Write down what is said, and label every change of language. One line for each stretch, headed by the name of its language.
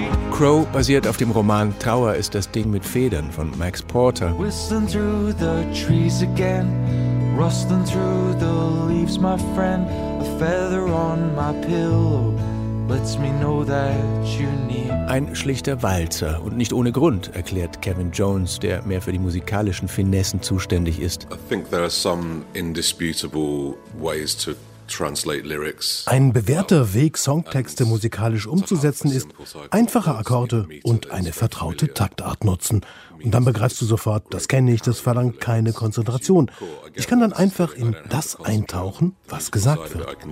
German: Crow basiert auf dem Roman Trauer ist das Ding mit Federn von Max Porter.
English: Whistling through the trees again, rustling through the leaves, my friend. A feather on my pillow lets me know that you need.
German: Ein schlichter Walzer und nicht ohne Grund, erklärt Kevin Jones, der mehr für die musikalischen Finessen zuständig ist.
English: I think there are some indisputable ways to translate lyrics.
German: Ein bewährter Weg, Songtexte musikalisch umzusetzen, ist, einfache Akkorde und eine vertraute Taktart nutzen. Und dann begreifst du sofort, das kenne ich, das verlangt keine Konzentration. Ich kann dann einfach in das eintauchen, was gesagt wird.